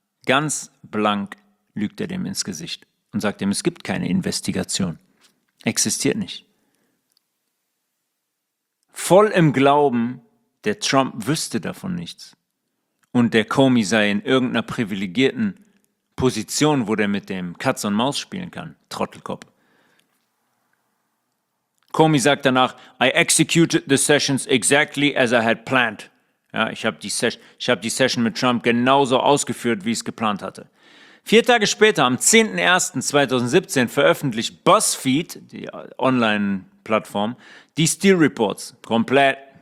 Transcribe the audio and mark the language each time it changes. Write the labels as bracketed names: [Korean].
[German] Ganz blank lügt er dem ins Gesicht. Und sagt ihm, es gibt keine Investigation. Existiert nicht. Voll im Glauben, der Trump wüsste davon nichts. Und der Comey sei in irgendeiner privilegierten Position, wo der mit dem Katz und Maus spielen kann, Trottelkopf. Comey sagt danach, [English] I executed the sessions exactly as I had planned. [German] Ja, ich hab die Session mit Trump genauso ausgeführt, wie ich es geplant hatte. Vier Tage später, am 10.01.2017, veröffentlicht BuzzFeed, die Online-Plattform, die Steele Reports komplett.